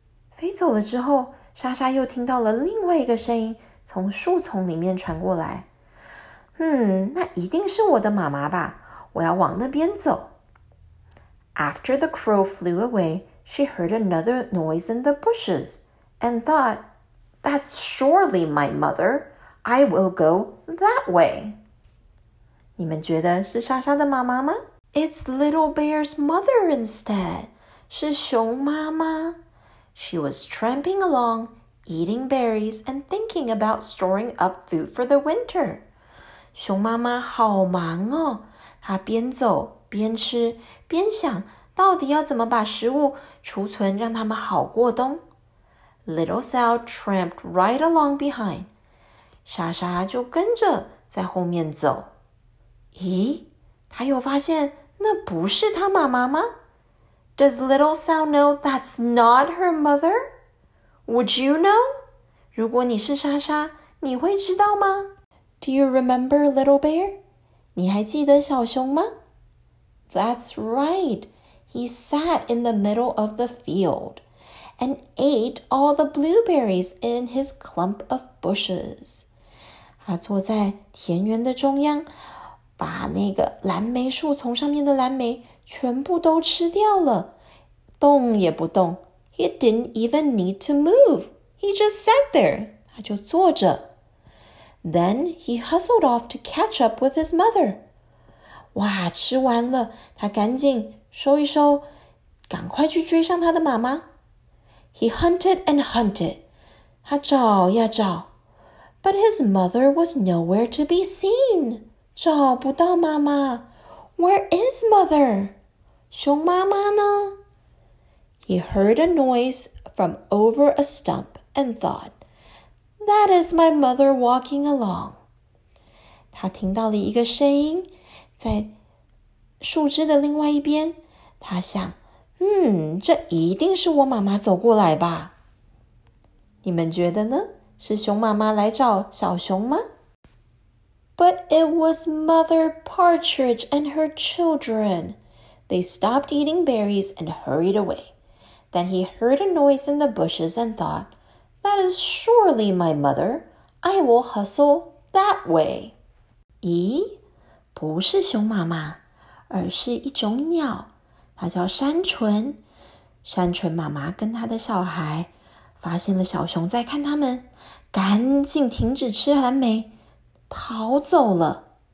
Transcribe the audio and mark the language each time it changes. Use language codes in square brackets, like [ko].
[zh] 飞走了之后，莎莎又听到了另外一个声音从树丛里面传过来。那一定是我的妈妈吧，我要往那边走。 [en] After the crow flew away, she heard another noise in the bushes and thought, that's surely my mother, I will go that way. [zh] 你们觉得是莎莎的妈妈吗？ [en] It's Little Bear's mother instead, [zh] 是熊妈妈。 [en] She was tramping along, eating berries and thinking about storing up food for the winter. [zh] 熊妈妈好忙哦，她边走边吃，边想到底要怎么把食物储存，让它们好过冬。 [en] Little Sal tramped right along behind. [zh] 莎莎就跟着在后面走。咦，她又发现那不是她妈妈吗？ [en] Does Little Sal know that's not her mother? Would you know? [zh] 如果你是莎莎，你会知道吗？ [en] Do you remember Little Bear? [zh] 你还记得小熊吗？ [en] That's right. He sat in the middle of the field and ate all the blueberries in his clump of bushes. [zh] 他坐在田园的中央，把那个蓝莓树丛上面的蓝莓全部都吃掉了，动也不动。 [en] He didn't even need to move. He just sat there. [zh] 他就坐着。 [en] Then he hustled off to catch up with his mother. [zh] 哇，吃完了，他赶紧收一收，赶快去追上他的妈妈。 [en] He hunted and hunted. [zh] 他找呀找。 [en] But his mother was nowhere to be seen. [zh] 找不到妈妈。 [en] Where is mother? [zh] 熊妈妈呢？ [en] He heard a noise from over a stump and thought,That is my mother walking along. [zh] 他听到了一个声音在树枝的另外一边，他想，这一定是我妈妈走过来吧。你们觉得呢？是熊妈妈来找小熊吗？ [en] But it was Mother Partridge and her children. They stopped eating berries and hurried away. Then he heard a noise in the bushes and thought,That is surely my mother. I will hustle that way. [zh] 咦，不是熊妈妈，而是一种鸟，它叫山鹑。山鹑妈妈跟她的小孩发现了小熊在看他们，赶紧停止吃蓝莓，跑走了。